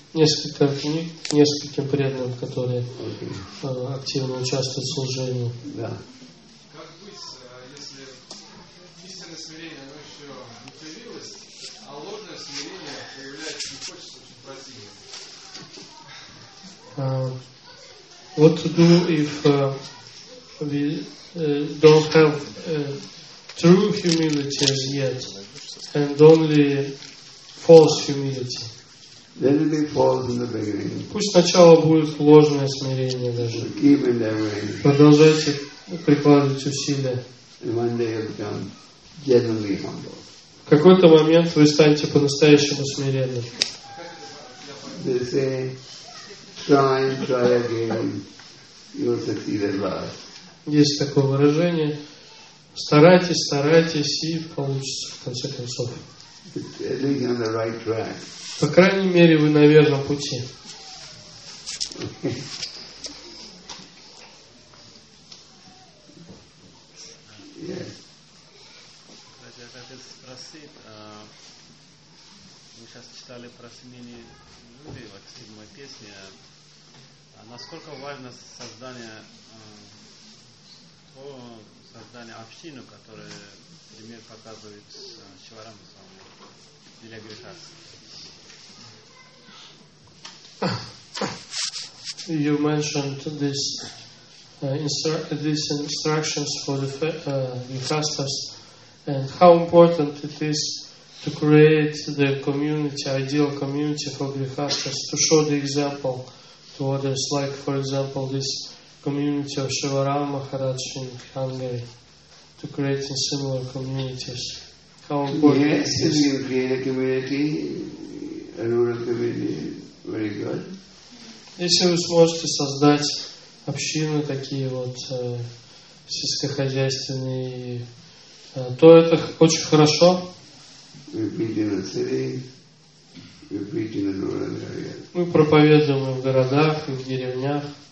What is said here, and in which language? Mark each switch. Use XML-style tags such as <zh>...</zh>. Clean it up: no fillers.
<ru>Несколько книг нескольким преданным, которые активно участвуют в служении. Да. Как быть, если истинное смирение, оно еще не появилось, а ложное смирение появляется, не хочется очень противно?</ru> <en>What to do if we don't have true humility as yet, and only false humility? Let it be false in the beginning.</en> <ru>Пусть сначала будет ложное смирение даже.</ru> <en>Keep endeavoring.</en> <ru>Продолжайте прикладывать усилия.</ru> <en>And one day you'll become genuinely humble.</en> <ru>В какой-то момент вы станете по-настоящему смиренным.</ru> <en>They say, try and try again, you'll succeed at last.</en> <ru>Есть такое выражение. Старайтесь, старайтесь, и получится в конце концов.</ru> <en>Living on the right track.</en> <ru>По крайней мере, вы на верном пути. Кстати, я хотел спросить, мы сейчас читали про семейные люди, вот седьмой песни, а насколько важно создание общины, которую пример показывает Шиварама Свами или Гришас?</ru> <en>You mentioned this these instructions for the Grihasthas, and how important it is to create the community, ideal community for Grihasthas, to show the example to others, like for example this community of Shivaram Maharaj in Hungary, to create in similar communities. How important? Yes, you create a community, a rural community. Very good.</en> <ru>Если вы сможете создать общины такие вот сельскохозяйственные, то это очень хорошо. Мы проповедуем в городах и в деревнях.</ru>